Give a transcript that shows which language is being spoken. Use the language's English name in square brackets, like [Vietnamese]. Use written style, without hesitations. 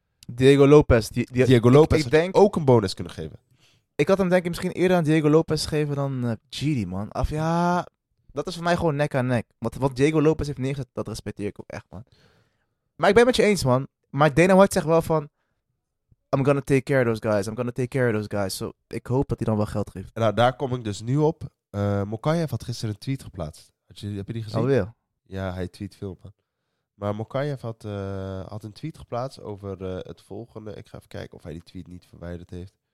[Dutch] Diego Lopez. Diego Lopez, ik denk, ook een bonus kunnen geven. Ik had hem denk ik misschien eerder aan Diego Lopez geven dan Jiri, man. Of ja, dat is voor mij gewoon nek aan nek. Wat Diego Lopez heeft neergezet, dat respecteer ik ook echt, man. Maar ik ben het met je eens, man. Maar Dana White zegt wel van... [English] I'm gonna take care of those guys. [Dutch] So, ik hoop dat hij dan wel geld geeft. Nou, daar kom ik dus nu op. Mokaev had gisteren een tweet geplaatst. Heb je die gezien? Alweer? Ja, hij tweet veel, man. Maar Mokaev had een tweet geplaatst over het volgende. Ik ga even kijken of hij die tweet niet verwijderd heeft.